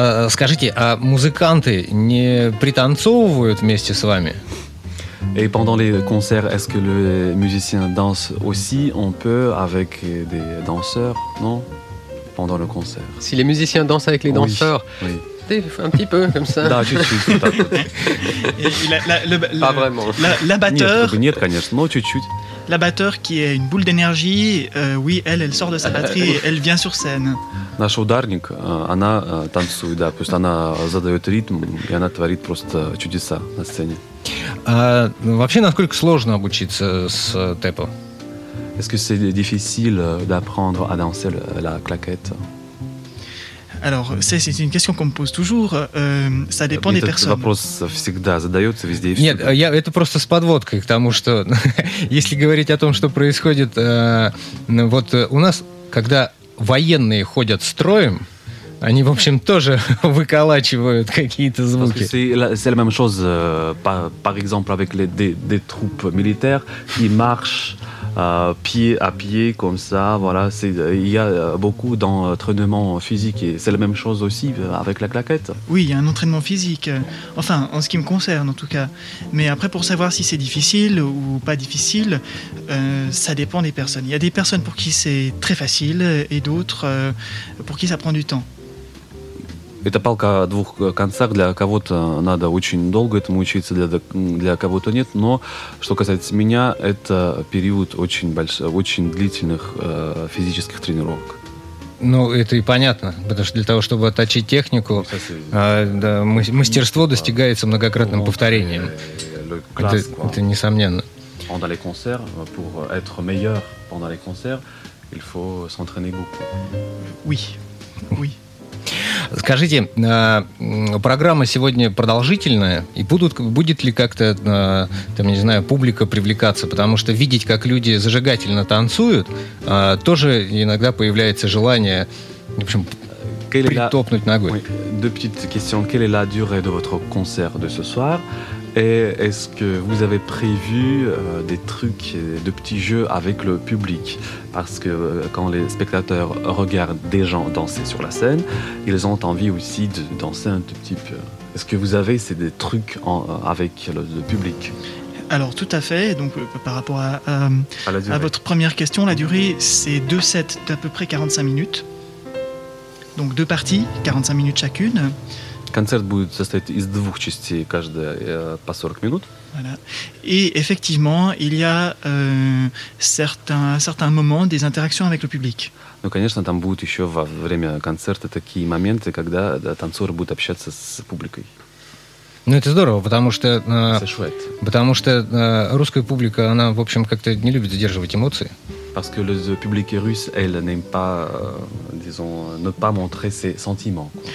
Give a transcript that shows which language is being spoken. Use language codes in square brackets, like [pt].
[ru] Скажите, а музыканты не пританцовывают вместе с вами? [fr] Et pendant les concerts, est-ce que les musiciens dansent aussi un peu avec des danseurs, non? Pendant le concert. Si les musiciens dansent avec les danseurs, oui, oui. Un petit peu comme ça. Non, juste un peu. Pas vraiment. L'abatteur. [ru] Нет, конечно, но чуть-чуть. [fr] L'abatteur qui est une boule d'énergie, oui, elle sort de sa batterie et elle vient sur scène. [ru] Наш ударник, она танцует, да, просто она задает ритм и она творит просто чудеса на сцене. А вообще, насколько сложно обучиться с тэпо? [fr] Est-ce que c'est difficile d'apprendre à danser la claquette? Alors, c'est une question qu'on me pose toujours. Ça dépend des personnes. [ru] Этот вопрос всегда задается везде. Нет, я это просто с подводкой к тому, что если говорить о том, что происходит, вот у нас, когда военные ходят строем. Они, в общем, тоже выколачивают какие-то звуки. [fr] C'est la même chose, par exemple, avec des troupes militaires qui marchent pied à pied, comme ça, voilà. Il y a beaucoup d'entraînement physique et c'est la même chose aussi avec la claquette. Oui, il y a un entraînement physique. Enfin, en ce qui me concerne, en tout cas. Mais après, pour savoir si c'est difficile ou pas difficile, ça dépend des personnes. Il y a des personnes pour qui c'est très facile et d'autres pour qui ça prend du temps. [ru] Это палка о двух концах. Для кого-то надо очень долго этому учиться, для кого-то нет. Но что касается меня, это период очень длительных физических тренировок. Ну, это и понятно, потому что для того, чтобы отточить технику, мастерство достигается многократным повторением. Это несомненно. [fr] Pendant les concerts, pour être meilleur pendant les concerts, il faut s'entraîner beaucoup. Oui, oui. [ru] Скажите, программа сегодня продолжительная, и будет ли как-то, там, не знаю, публика привлекаться? Потому что видеть, как люди зажигательно танцуют, тоже иногда появляется желание, в общем, притопнуть ногой. [fr] Deux petites questions. Quelle est la durée de votre concert de ce soir? Et est-ce que vous avez prévu des trucs, de petits jeux avec le public? Parce que quand les spectateurs regardent des gens danser sur la scène, ils ont envie aussi de danser un tout petit peu. Est-ce que vous avez des trucs avec le public? Alors tout à fait, donc par rapport à votre première question, la durée c'est deux sets d'à peu près 45 minutes. Donc deux parties, 45 minutes chacune. [ru] Концерт будет состоять из двух частей, каждая по 40 минут. [fr] Voilà. Et effectivement, il y a certains moments des interactions avec le public. [ru] Ну, конечно, там будут еще во время концерта такие моменты, когда танцоры будут общаться с публикой. Ну, это здорово, потому что русская публика, она, в общем, как-то не любит сдерживать эмоции. [fr] Parce que le public russe, elle n'aime pas, disons, ne pas montrer ses sentiments.